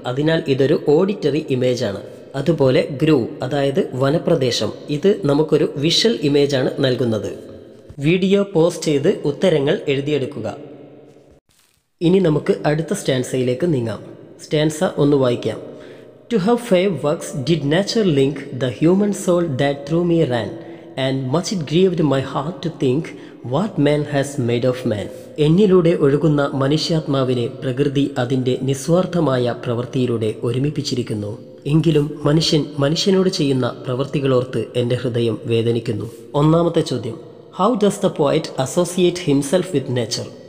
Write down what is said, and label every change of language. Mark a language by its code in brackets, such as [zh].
[ml] അതിനാൽ ഇതൊരു ഓഡിറ്ററി ഇമേജാണ്. അതുപോലെ ഗ്രൂ അതായത് വനപ്രദേശം, ഇത് നമുക്കൊരു വിഷ്വൽ ഇമേജാണ് നൽകുന്നത്. വീഡിയോ പോസ് ചെയ്ത് ഉത്തരങ്ങൾ എഴുതിയെടുക്കുക. ഇനി നമുക്ക് അടുത്ത സ്റ്റാൻസയിലേക്ക് നീങ്ങാം. സ്റ്റാൻസ ഒന്ന് വായിക്കാം. [en] To have five works did nature link the human soul that through me ran, and much it grieved my heart to think what man has made of man. [ml] എന്നിലൂടെ ഒഴുകുന്ന മനുഷ്യാത്മാവിനെ പ്രകൃതി അതിൻ്റെ നിസ്വാർത്ഥമായ പ്രവൃത്തിയിലൂടെ ഒരുമിപ്പിച്ചിരിക്കുന്നു. എങ്കിലും മനുഷ്യൻ മനുഷ്യനോട് ചെയ്യുന്ന പ്രവൃത്തികളോർത്ത് എൻ്റെ ഹൃദയം വേദനിക്കുന്നു. ഒന്നാമത്തെ ചോദ്യം, [en] How does the poet associate himself with nature.